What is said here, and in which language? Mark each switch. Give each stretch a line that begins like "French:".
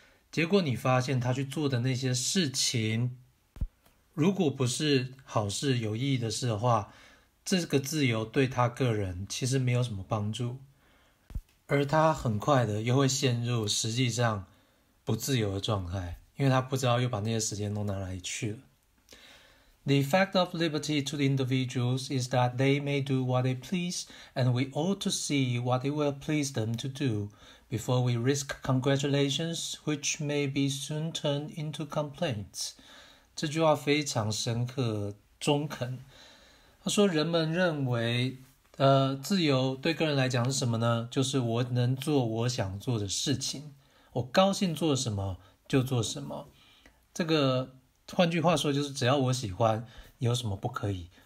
Chinese: 结果你发现他去做的那些事情，如果不是好事、有意义的事的话，这个自由对他个人其实没有什么帮助，而他很快的又会陷入实际上不自由的状态，因为他不知道又把那些时间弄到哪里去了。
English: The effect of liberty to the individuals is that they may do what they please, and we ought to see what it will please them to do before we risk congratulations, which may be soon turned into complaints.
Chinese: 这句话非常深刻、中肯。他说，人们认为，自由对个人来讲是什么呢？就是我能做我想做的事情，我高兴做什么就做什么。这个换句话说，就是只要我喜欢，有什么不可以？